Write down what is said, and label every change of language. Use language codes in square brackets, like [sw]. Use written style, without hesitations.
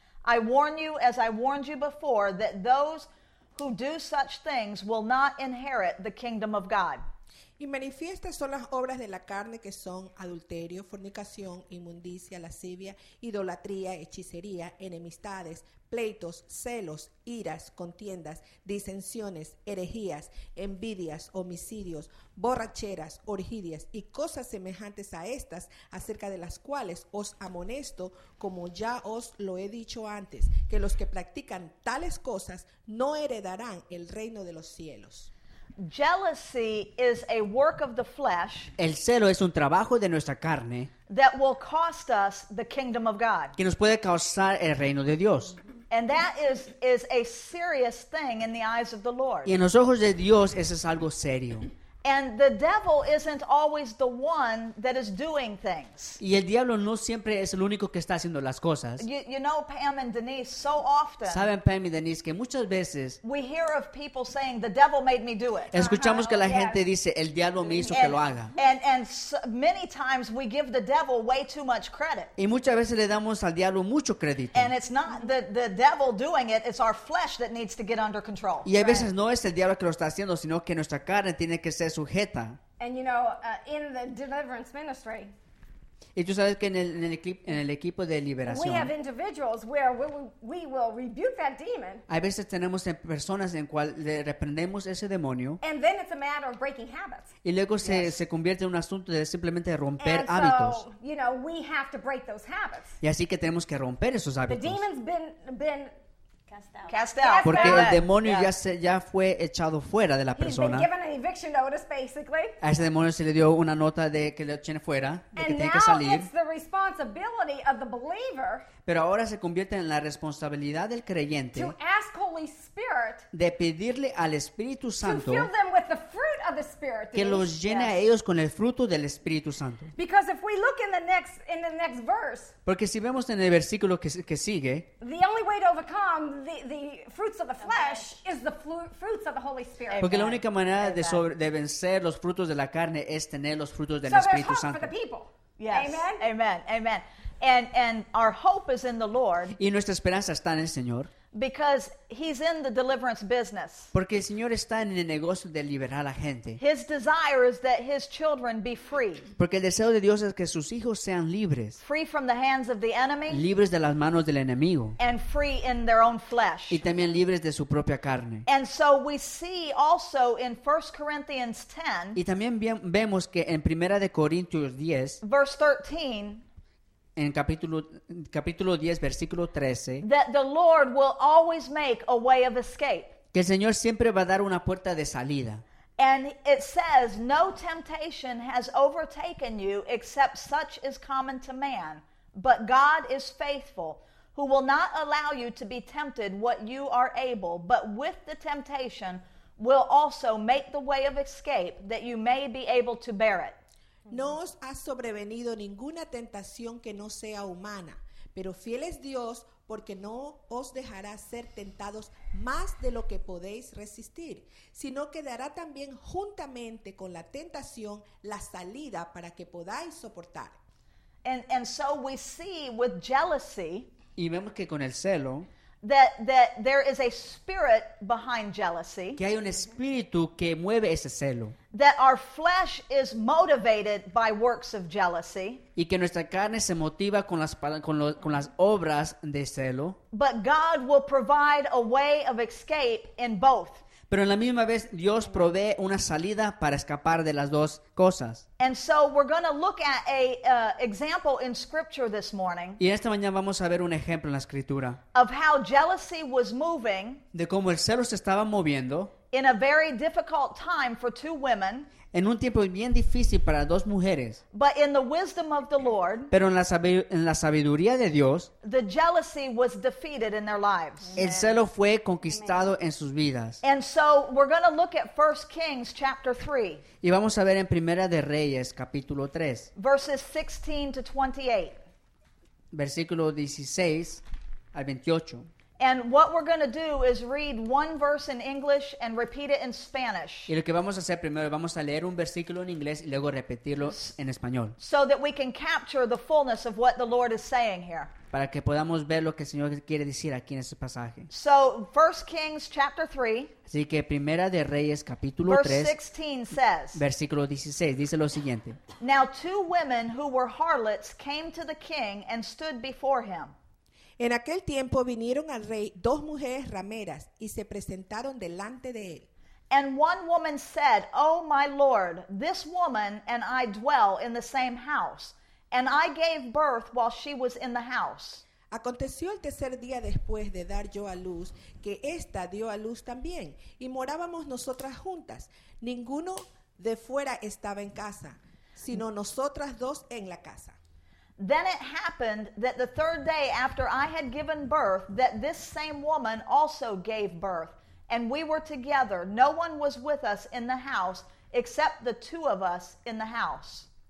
[en] I warn you, as I warned you before, that those who do such things will not inherit the kingdom of God. [es] Y manifiestas son las obras de la carne, que son adulterio, fornicación, inmundicia, lascivia, idolatría, hechicería, enemistades, pleitos, celos, iras, contiendas, disensiones, herejías, envidias, homicidios, borracheras, orgías y cosas semejantes a estas, acerca de las cuales os amonesto, como ya os lo he dicho antes, que los que practican tales cosas no heredarán el reino de los cielos. [en] Jealousy is a work of the flesh. [es] El celo es un trabajo de nuestra carne. [en] That will cost us the kingdom of God. [es] Que nos puede causar el reino de Dios. [en] And that is a serious thing in the eyes of the Lord. [es] Y en los ojos de Dios eso es algo serio. [en] And the devil isn't always the one that is doing things. [es] Y el diablo no siempre es el único que está haciendo las cosas. [en] You know, Pam and Denise, so often. [es] Saben Pam y Denise que muchas veces. [en] We hear of people saying the devil made me do it. [es] Escuchamos que la gente dice el diablo me hizo que lo haga. [en] And so, many times we give the devil way too much credit. [es] Y muchas veces le damos al diablo mucho crédito. [en] And it's not the devil doing it; it's our flesh that needs to get under control. [es] Y a veces no es el diablo que lo está haciendo, sino que nuestra carne tiene que ser sujeta. [en] And you know, in the deliverance ministry, [es] y tú sabes que en el equipo de liberación, [en] we have individuals where we will rebuke that demon. [es] Hay veces tenemos en personas en cual le reprendemos ese demonio. [en] And then it's a matter of breaking habits. [es] Y luego se convierte en un asunto de simplemente romper [en] and [es] hábitos. [en] So, you know, we have to break those habits. [es] Y así que tenemos que romper esos hábitos. [en] The demon's been cast out. [es] Porque el demonio ya fue echado fuera de la persona. [en] He's been given an eviction notice, basically. [es] A ese demonio se le dio una nota de que lo tiene fuera, de que tiene que salir. [en] It's the responsibility of the believer. [es] Pero ahora se convierte en la responsabilidad del creyente [en] to ask Holy Spirit [es] de pedirle al Espíritu Santo [en] to fill them with the fruit of the Spirit, [es] que los llene a ellos con el fruto del Espíritu Santo. [en] Because if we look in the next verse, [es] porque si vemos en el versículo que sigue, [en] the only way to overcome the fruits of the flesh is the fruits of the Holy Spirit. [es] Porque la única manera de vencer los frutos de la carne es tener los frutos del Espíritu Santo. [en] So there's hope for the people. Yes. Amen. Amen. Amen. And our hope is in the Lord. [es] Y nuestra esperanza está en el Señor. [en] Because he's in the deliverance business. [es] Porque el Señor está en el negocio de liberar a la gente. [en] His desire is that his children be free. [es] Porque el deseo de Dios es que sus hijos sean libres. [en] Free from the hands of the enemy. [es] Libres de las manos del enemigo. [en] And free in their own flesh. [es] Y también libres de su propia carne. [en] And so we see also in 1 Corinthians 10. [es] Y también vemos que en Primera de Corintios 10. [en] Verse 13. [es] En capítulo 10, versículo 13, [en] that the Lord will always make a way of escape. [es] Que el Señor siempre va a dar una puerta de salida. [en] And it says, no temptation has overtaken you except such is common to man. But God is faithful, who will not allow you to be tempted what you are able, but with the temptation will also make the way of escape that you may be able to bear it. [es] No os ha sobrevenido ninguna tentación que no sea humana, pero fiel es Dios, porque no os dejará ser tentados más de lo que podéis resistir, sino que dará también juntamente con la tentación la salida para que podáis soportar. [en] And so we see with jealousy, [es] y vemos que con el celo, [en] that there is a spirit behind jealousy. [es] Que hay un espíritu que mueve ese celo. [en] That our flesh is motivated by works of jealousy. [es] Y que nuestra carne se motiva con las obras de celo. [en] But God will provide a way of escape in both. [es] Pero en la misma vez Dios provee una salida para escapar de las dos cosas. [en] And so we're going to look at a example in scripture this morning. [es] Y esta mañana vamos a ver un ejemplo en la escritura. [en] Of how jealousy was moving. [es] De cómo el celo se estaba moviendo. [en] In a very difficult time for two women. [es] En un tiempo bien difícil para dos mujeres. [en] But in the wisdom of the Lord. [es] Pero en la sabiduría de Dios. [en] The jealousy was defeated in their lives. [es] Amen. El celo fue conquistado Amen. En sus vidas. [en] And so we're going to look at 1 Kings chapter 3. [es] Y vamos a ver en Primera de Reyes capítulo 3. [en] Verses 16 to 28. [es] Versículo 16 al 28. [en] And what we're going to do is read one verse in English and repeat it in Spanish. [es] Y lo que vamos a hacer primero, vamos a leer un versículo en inglés y luego repetirlo en español. [en] So that we can capture the fullness of what the Lord is saying here. [es] Para que podamos ver lo que el Señor quiere decir aquí en este pasaje. [en] So, 1 Kings chapter 3. [es] Así que Primera de Reyes capítulo [en] verse [es] 3. [en] Verse 16 says. [es] Versículo 16 dice lo siguiente. [en] Now two women who were harlots came to the king and stood before him. [es] En aquel tiempo vinieron al rey dos mujeres rameras y se presentaron delante de él. [en] And one woman said, Oh my Lord, this woman and I dwell in the same house, and I gave birth while she was in the house. [es] Aconteció el tercer día después de dar yo a luz, que ésta dio a luz también, y morábamos nosotras juntas. Ninguno de fuera estaba en casa, sino nosotras dos en la casa. [en] Then it happened that the third day after I had given birth, that this same woman also gave birth, and we were together. No one was with us in the house except the two of us in the house.